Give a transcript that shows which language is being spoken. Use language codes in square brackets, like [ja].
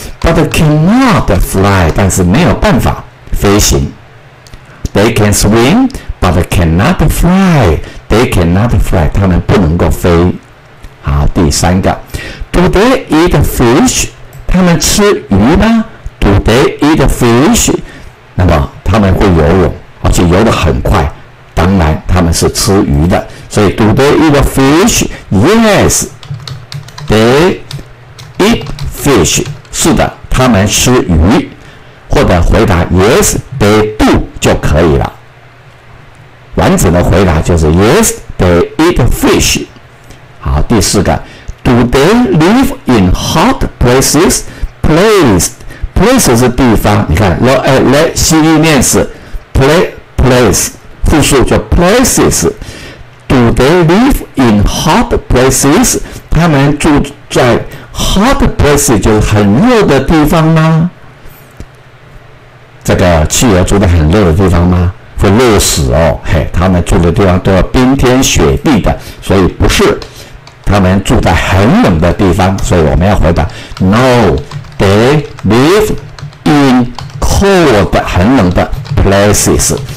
[en] But cannot fly, [zh] 但是没有办法飞行。 [en] They can swim, but cannot fly. They cannot fly, [zh] 他们不能够飞。好，第三个， [en] Do they eat fish? [zh] 他们吃鱼吗？ [en] Do they eat fish? [zh] 那么他们会游泳，而且游得很快，当然他们是吃鱼的。 [en] 所以 Do they eat fish? Yes, they eat fish. [zh] 是的，他们吃鱼。或者回答 [en] Yes, they do [zh] 就可以了。 [en] 完整的回答就是 Yes, they eat fish. [zh] 好，第四个， [en] Do they live in hot places? [zh] Place 是地方，你看 place 复数叫 places. [en] Do they live in hot places? [zh] 他们住在 [en] hot places [zh] 就是很热的地方吗？这个企鹅住在很热的地方吗？会热死哦。嘿，他们住的地方都要冰天雪地的，所以不是。他们住在很冷的地方，所以我们要回答 [en] No, they live in cold, [zh] 很冷的 places.